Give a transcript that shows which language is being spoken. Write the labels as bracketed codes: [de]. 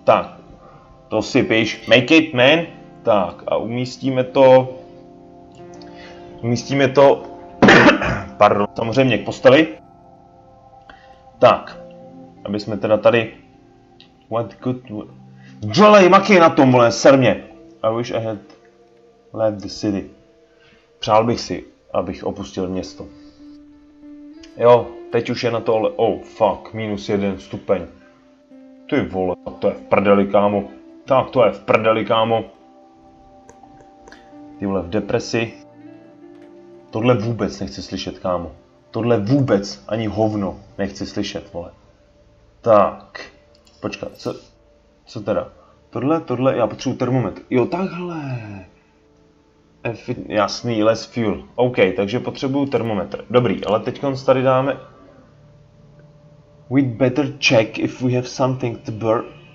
[cs] Tak, to si píš, [en] make it, man. [cs] Tak, a umístíme to, pardon, samozřejmě k posteli. Tak, aby jsme teda tady, [en] what good... [cs] Dělej, makej na tom, vole, ser mě. [en] I wish I had left the city. [cs] Přál bych si, abych opustil město. Jo, teď už je na to, ale... [en] Oh, fuck, [cs] minus jeden stupeň. Ty vole, to je v prdeli, kámo. Tak, to je v prdeli, kámo. Ty vole, v depresi. Tohle vůbec nechci slyšet, kámo. Tohle vůbec ani hovno nechci slyšet, vole. Tak, počkat, co teda? Tohle, já potřebuji termometr. Jo, takhle. Jasný, [en] less fuel. [cs] OK, takže potřebuju termometr. Dobrý, ale teď tady dáme... [en] We'd better check if we have something to burn.